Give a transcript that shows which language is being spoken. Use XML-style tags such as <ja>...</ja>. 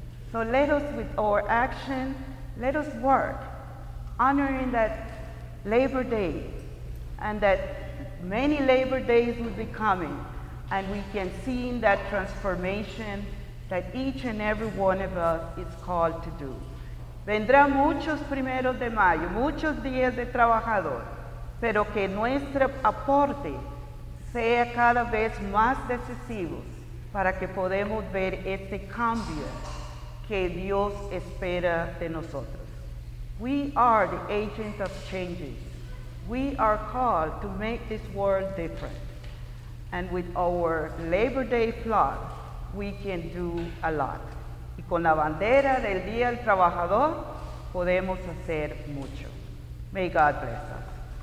<en>So let us, with our action, let us work, honoring that Labor Day, and that many Labor Days will be coming, and we can see in that transformation that each and every one of us is called to do.</en> <es>Vendrá muchos primeros de mayo, muchos días de trabajador, pero que nuestro aporte sea cada vez más decisivo para que podamos ver este cambio que Dios espera de nosotros.</es> <en>We are the agents of changes. We are called to make this world different. And with our Labor Day flag, we can do a lot.</en> <es>Y con la bandera del Día del Trabajador, podemos hacer mucho.</es> <en>May God bless us.</en>